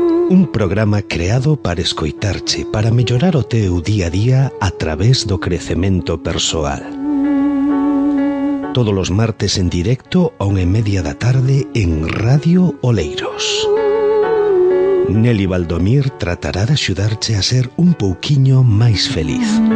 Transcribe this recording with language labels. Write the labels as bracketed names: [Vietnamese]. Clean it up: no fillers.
[Galician] Un programa creado para escoitarche, para mellorar o teu día a día a través do crecemento persoal. [Spanish] Todos los martes en directo, 1:30 PM en Radio Oleiros. [Galician] Nelly Baldomir tratará de axudarche a ser un pouquiño máis feliz.